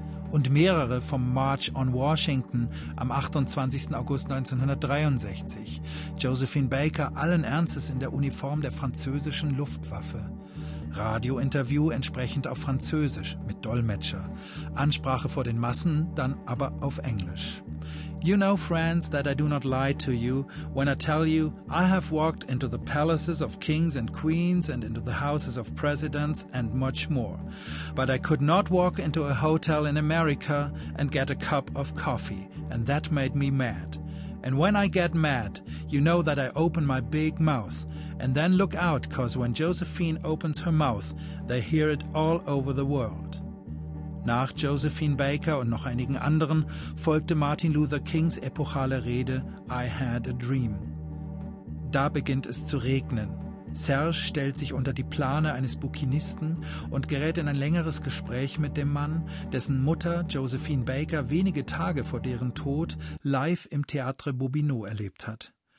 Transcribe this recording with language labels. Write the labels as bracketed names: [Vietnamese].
[German] Und mehrere vom March on Washington am 28. August 1963. Josephine Baker allen Ernstes in der Uniform der französischen Luftwaffe. Radiointerview entsprechend auf Französisch mit Dolmetscher. Ansprache vor den Massen, dann aber auf Englisch. [English] You know, friends, that I do not lie to you when I tell you I have walked into the palaces of kings and queens and into the houses of presidents and much more. But I could not walk into a hotel in America and get a cup of coffee, and that made me mad. And when I get mad, you know that I open my big mouth. And then look out, 'cause when Josephine opens her mouth, they hear it all over the world. [German] Nach Josephine Baker und noch einigen anderen folgte Martin Luther Kings epochale Rede » [English] I had a dream«. [German] Da beginnt es zu regnen. Serge stellt sich unter die Plane eines Bukinisten und gerät in ein längeres Gespräch mit dem Mann, dessen Mutter Josephine Baker wenige Tage vor deren Tod live im Théâtre Bobineau erlebt hat.